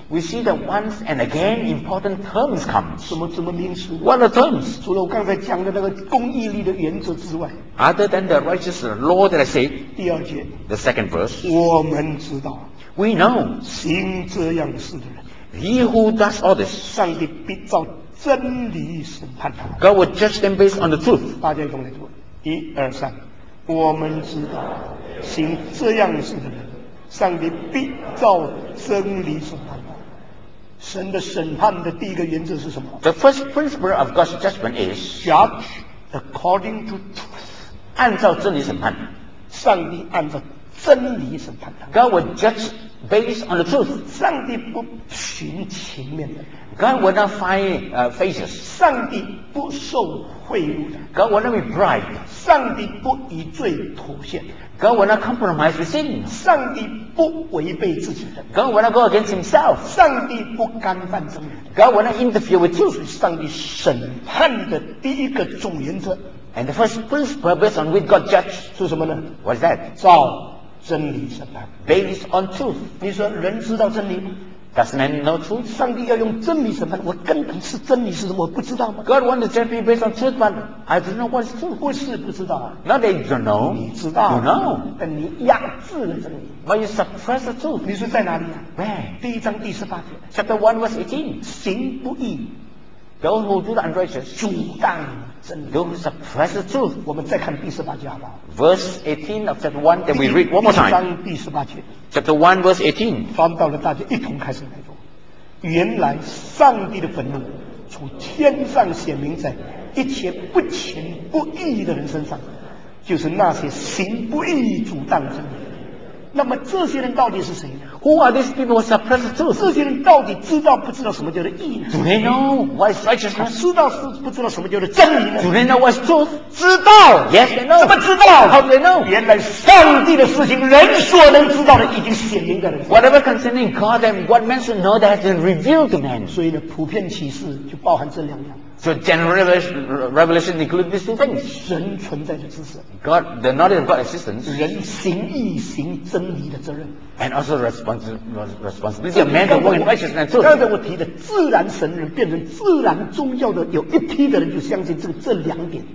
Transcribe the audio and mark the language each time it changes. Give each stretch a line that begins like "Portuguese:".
English: We see that once and again important terms come.
Chinese: 什么名词
English: ？What are terms?
Chinese: 除了我刚才讲的那个公义力的原则之外。
English: Other than the righteous law that I say.
Chinese: 第二节。
English: The second verse.
Chinese: 我们知道。
English: We know.
Chinese: 行这样事的人。
English: He who does all this.
Chinese: 上帝必照。真理审判他。
English: God will judge them based on the truth.
Chinese: 大家一同来读，一二三，我们知道，行这样事的人，上帝必照真理审判他。神的审判的第一个原则是什么
English: ？The first principle of God's judgment is judge according to truth.
Chinese: 按照真理审判。上帝按照真理审判他。
English: God will judge based on the truth.
Chinese: 上帝不寻情面的。
English: God will not find faces.
Chinese: 上帝不受贿赂的。
English: God will not be bribed.
Chinese: 上帝不以罪妥协。
English: God will not compromise with sin.
Chinese: 上帝不违背自己的。
English: God will not go against himself.
Chinese: 上帝不干犯真理。
English: God will not interfere with truth.
Chinese: 上帝审判的第一个总原则。
English: And the first principle based on which God judged
Chinese: 是什么呢
English: ？What is that?
Chinese: 照真理审判。
English: Based on truth.
Chinese: 你说人知道真理吗？
English: Does man know truth?
Chinese: 上帝要用真理审判，我根本是真理是什么？我不知道吗
English: ？God wants to judge me based on truth, but I don't know what is truth.
Chinese: 不是不知道啊。
English: Not that you don't know.
Chinese: 你知道。
English: You know.
Chinese: 但你压制了真理。
English: But you suppress the truth.
Chinese: 你说在哪里啊
English: ？Where?
Chinese: 第一章第十八节。
English: Chapter 1:18.
Chinese: 行不义。
English: Those who do the unrighteous.
Chinese: 阻挡真理。
English: Those who suppress the truth.
Chinese: 我们再看第十八节好不好
English: ？Verse 18 of chapter 1. Then we read one more time.
Chinese: 第一章第十八节。
English: Chapter 1 verse 18.
Chinese: 翻到了大家一同开始来读。原来上帝的愤怒从天上显明在一切不情不义的人身上，就是那些行不义阻挡真理。那么这些人到底是谁呢？
English: Who are these people who suppress the truth?
Chinese: 这些人到底知道不知道什么叫做义呢？
English: Do they know what is righteousness?
Chinese: 知道不知道什么叫做真理呢？
English: Do they know what is truth?
Chinese: 知道。
English: Yes, they know.
Chinese: 怎么知道？
English: How do they know?
Chinese: 原来上帝的事情人所能知道的已经显明在人。
English: Whatever concerning God and what men should know that has been revealed to men.
Chinese: 所以呢，普遍启示就包含这两样。
English: So general revelation includes these two things.
Chinese: 神存在的知识。
English: God, the knowledge of God's existence.
Chinese: 人行义行真理的责任。
English: And also responsibility of man to walk in righteousness.
Chinese: 刚才我提的自然神人变成自然宗教的，有一批的人就相信这两点。